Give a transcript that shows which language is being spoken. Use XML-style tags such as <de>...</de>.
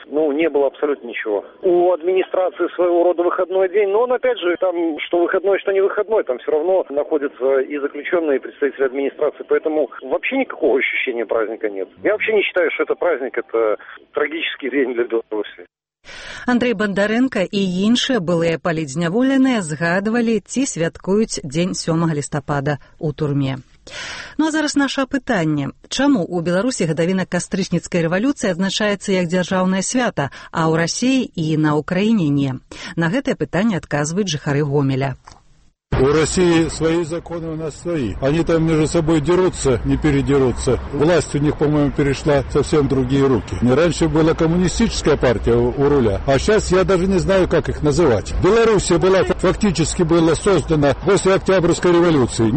<ru>Ну, не было абсолютно ничего. У администрации своего рода выходной день, но он опять же, там, что выходной, что не выходной, там все равно находятся и заключенные, и представители администрации, поэтому вообще никакого ощущения праздника нет. Я вообще не считаю, что это праздник, это трагический день для Беларуси.</ru> <be>Андрей Бондаренко і інші былыя палітзняволены згадвалі, ці святкуюць дзень 7 лістапада ў турме. Ну а зараз наше пытанне. Чаму у Беларусі гадавіна кастрычніцкай рэвалюцыі адзначаецца як дзяржаўнае свята, а ў Расіі і на Украіне не? На гэтае пытанне адказваюць жыхары Гомеля.</be> <ru>У России свои законы, у нас свои. Они там между собой дерутся, не передерутся. Власть у них, по-моему, перешла совсем в другие руки. Не раньше была коммунистическая партия у руля, а сейчас я даже не знаю, как их называть. Белоруссия была фактически была создана после Октябрьской революции.</ru>